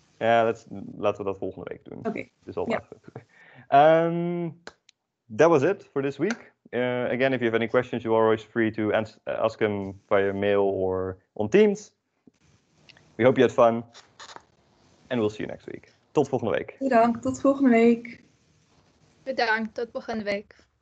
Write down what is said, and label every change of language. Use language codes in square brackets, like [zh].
[nl] Yeah, laten we dat volgende week doen. [en] Okay. Is all yeah. That was it for this week. Again, if you have any questions, you are always free to ask them via mail or on Teams. We hope you had fun. And we'll see you next week. [nl] Tot volgende week. Bedankt, tot volgende week. Bedankt, tot volgende week.